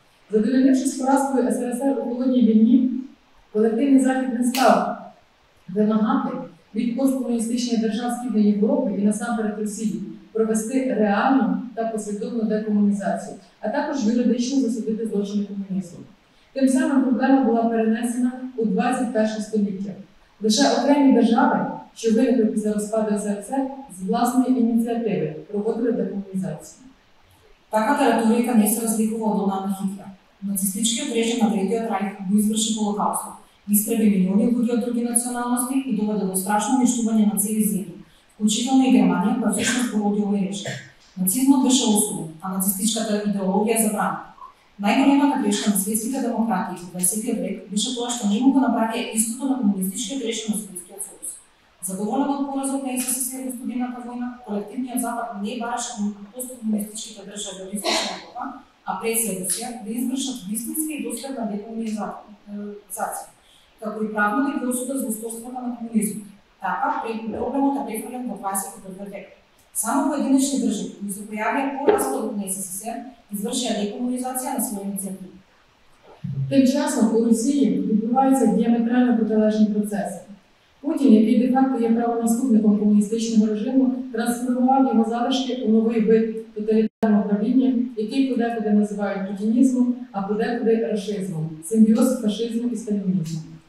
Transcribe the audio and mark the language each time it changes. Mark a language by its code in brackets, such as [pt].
[uk] Задовольнившись поразкою СРСР у холодній війні, колективний Захід не став вимагати від посткомуністичних держав Східної Європи і насамперед Росії провести реальну та послідовну декомунізацію, а також юридично засудити злочини комунізму. Тим самим проблема була перенесена у 21 століття. Лише окремі держави, що виникли після розпаду СРСР, з власної ініціативи проводили декомунізацію. Така територія не се розлікувала до нами Хітлера. [mk] Нацистичкиот режим на Третиот Рајх го изврши Холокаусто. Истреби милиони луѓе од други националности и доведе до страшно уништување на цели земји, вклучително и Германија, која всушност породи овој режим. Нацизмот беше осуден, а нацистичката идеологија забрана. Најголемата грешка на светските демократии во 20-тиот век беше тоа што не могло направи истото на комунистичкиот режим на Советскиот Сојуз. Задоволен од поразот на СССР во студената војна, колективниот Запад не бараше посткомунистичките држави од Источна Европа, а пред се Русија да извршат вистински и доследна декомунизација, како и правно да ги осудат злосторствата на комунизмот. Така, пред проблемот е префрлен во 21 век. Само во единични држави, кои се појавија поразот на СССР, извршија декомунизација на своја иницијатива. [uk] Тим часом у Русија відбувається діаметрально протилежен процес. Путін, який де-факто є правонаступником комуністичного режиму, трансформував його залишки у новий вид тоталітарного правління, який подекуди називають путінізмом, а подекуди рашизмом, симбіоз фашизму і сталінізму.